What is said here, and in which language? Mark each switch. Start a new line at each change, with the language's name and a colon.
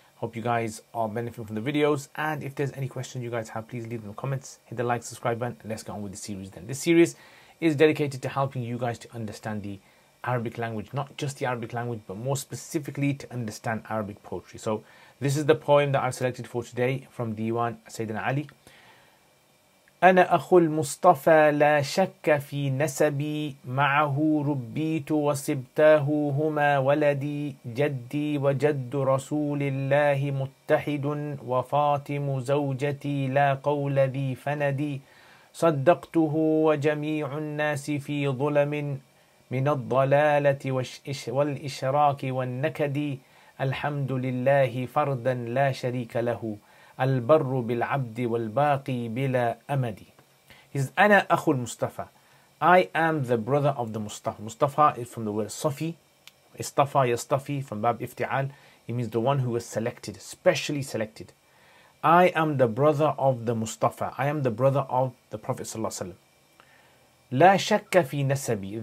English: Hope you guys are benefiting from the videos. And if there's any questions you guys have, please leave them in the comments. Hit the like, subscribe button, and let's get on with the series then. This series is dedicated to helping you guys to understand the Arabic language, not just the Arabic language, but more specifically to understand Arabic poetry. So this is the poem that I've selected for today from Diwan Sayyidina Ali.
Arabic: أنا أخو المصطفى لا شك في نسبي معه ربيت وصبته هما ولدي جدي وجد رسول الله متحد وفاطم زوجتي لا قول ذي فندي صدقته وجميع الناس في ظلم من الضلالة والإشراك والنكد الحمد لله فردا لا شريك له Al-Barru bil-Abdi wal-Baqi bila Amadi.
English: He says, Ana Akhul Mustafa. I am the brother of the Mustafa. Mustafa is from the word Safi. Istafa Yastafi from Bab Iftial. It means the one who was selected, specially selected. I am the brother of the Mustafa. I am the brother of the Prophet Sallallahu Alaihi Wasallam.
Arabic: La shakka fi nasabi.